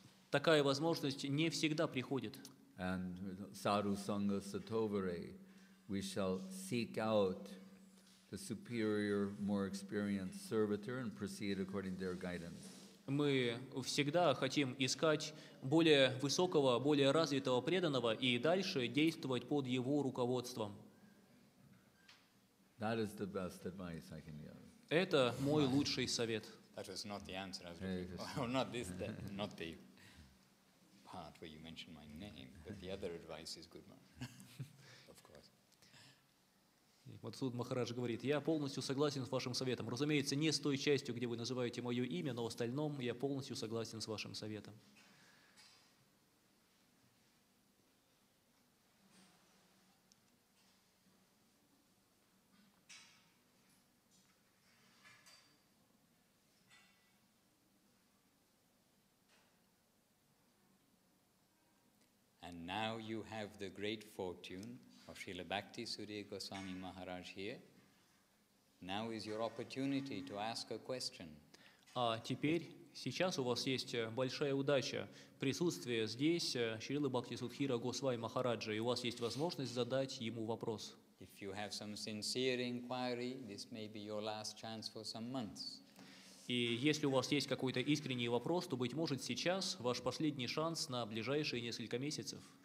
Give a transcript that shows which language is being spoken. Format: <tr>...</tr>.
<ru>Такая возможность не всегда приходит.</ru> <en>And Sadhu Sangha Satovare, we shall seek out the superior, more experienced servitor and proceed according to their guidance.</en> <ru>Мы всегда хотим искать более высокого, более развитого преданного и дальше действовать под его руководством.</ru> <en>That is the best advice I can give.</en> <ru>Это мой лучший совет.</ru> <en>That was not the answer, as well. Not this, that, not the part where you mentioned my name, but the other advice is good one.</en> <ru>Вот тут Махарадж говорит, я полностью согласен с вашим советом. Разумеется, не с той частью, где вы называете мое имя, но в остальном я полностью согласен с вашим советом.</ru> <en>And now you have the great fortune of Srila Bhakti Surya Goswami Maharaj here. Now is your opportunity to ask a question.</en> <ru>А теперь, сейчас у вас есть большая удача присутствия здесь Шрилы Бхакти Судхира Госвами Махараджа, и у вас есть возможность задать ему вопрос.</ru> <en>If you have some sincere inquiry, this may be your last chance for some months.</en> <ru>И если у вас есть какой-то искренний вопрос, то, быть может, сейчас ваш последний шанс на ближайшие несколько месяцев.</ru>